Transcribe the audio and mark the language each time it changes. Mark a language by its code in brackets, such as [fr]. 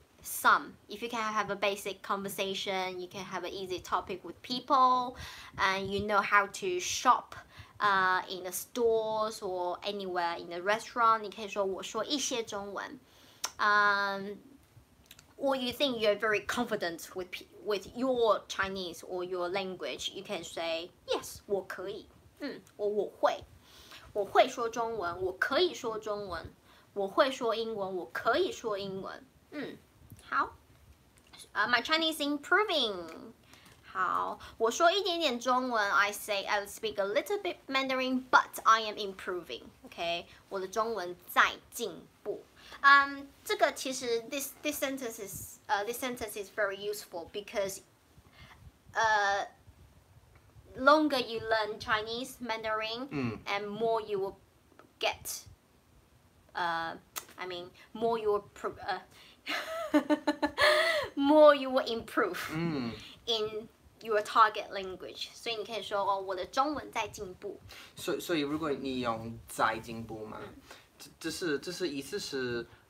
[en] Some, if you can have a basic conversation, you can have an easy topic with people, and you know how to shop in the stores or anywhere in the restaurant, [zh] 你可以说我说一些中文. [en] Or you think you're very confident with your Chinese or your language, you can say yes, [zh] 我可以. Or 我会说中文我可以说中文我会说英文我可以说英文. [en] How? My Chinese improving. [zh] 好,我说一点点中文, [en] I would speak a little bit Mandarin, but I am improving. [zh] Okay, 我的中文在进步. [en] This sentence is very useful because longer you learn Chinese Mandarin, and more you will get. More you will improve in your target language. [zh] 所以你可以说, oh, 我的中文在进步. So 所以如果你用在进步嘛, 这是意思是,